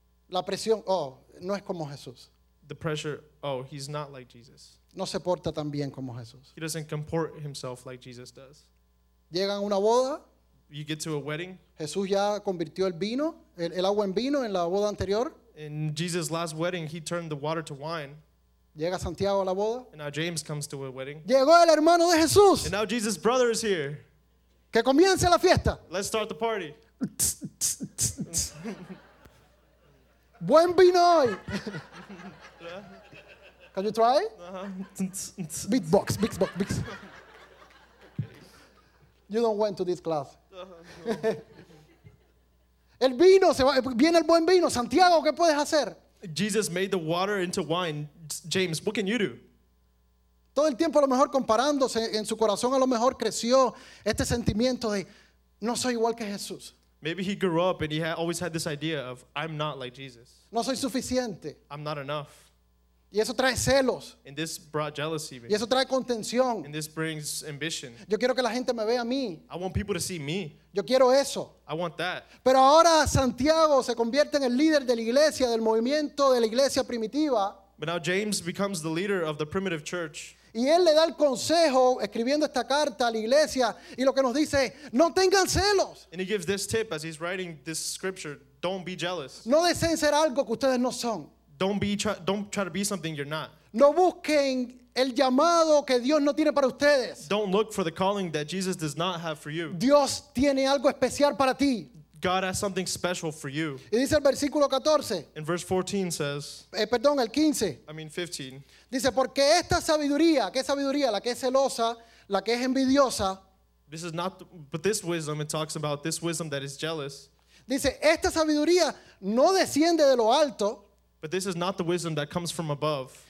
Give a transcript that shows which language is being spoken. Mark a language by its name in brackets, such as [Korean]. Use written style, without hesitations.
[Spanish] La presión, oh, no es como Jesús. [English] The pressure, oh, he's not like Jesus. [Spanish] No se porta tan bien como Jesús. [English] He doesn't comport himself like Jesus does. [Spanish] Llegan a una boda. [English] You get to a wedding. [Spanish] Jesús ya convirtió el vino, el agua en vino en la boda anterior. [English] In Jesus' last wedding, he turned the water to wine. [Spanish] Llega Santiago a la boda. [English] And now James comes to a wedding. [Spanish] Llegó el hermano de Jesús. [English] And now Jesus' brother is here. [Spanish] Que comience la fiesta. [English] Let's start the party. [Spanish] Buen vino hoy. [English] Can you try? Uh-huh. Beatbox. Okay. You don't went to this class. Uh-huh. [Spanish] El vino se va, viene el buen vino. Santiago, ¿qué puedes hacer? [English] Jesus made the water into wine. James, what can you do? [Spanish] Todo el tiempo a lo mejor comparándose en su corazón a lo mejor creció este sentimiento de no soy igual que Jesús. [English] Maybe he grew up and he always had this idea of I'm not like Jesus. [Spanish] No soy suficiente. [English] I'm not enough. [Spanish] Y eso trae celos. [English] And this brought jealousy. [Spanish] Y eso trae contención. [English] And this brings ambition. [Spanish] Yo quiero que la gente me vea a mí. [English] I want people to see me. [Spanish] Yo quiero eso. [English] I want that. [Spanish] Pero ahora Santiago se convierte en el líder de la iglesia, del movimiento de la iglesia primitiva. [English] But now James becomes the leader of the primitive church. [Spanish] Y él le da el consejo escribiendo esta carta a la iglesia y lo que nos dice, no tengan celos. [English] And he gives this tip as he's writing this scripture, don't be jealous. [Spanish] No deseen ser algo que ustedes no son. [English] Don't try to be something you're not. [Spanish] No busquen el llamado que Dios no tiene para ustedes. [English] Don't look for the calling that Jesus does not have for you. [Spanish] Dios tiene algo especial para ti. [English] God has something special for you. [Spanish] Y dice el versículo 14. [English] In verse 14 says. [Spanish] Perdón, el 15. [English] I mean 15. [Spanish] Dice, porque esta sabiduría, ¿qué sabiduría? La que es celosa, la que es envidiosa. [English] This is not, but this wisdom, it talks about this wisdom that is jealous. [Spanish] Dice, esta sabiduría no desciende de lo alto. [English] But this is not the wisdom that comes from above.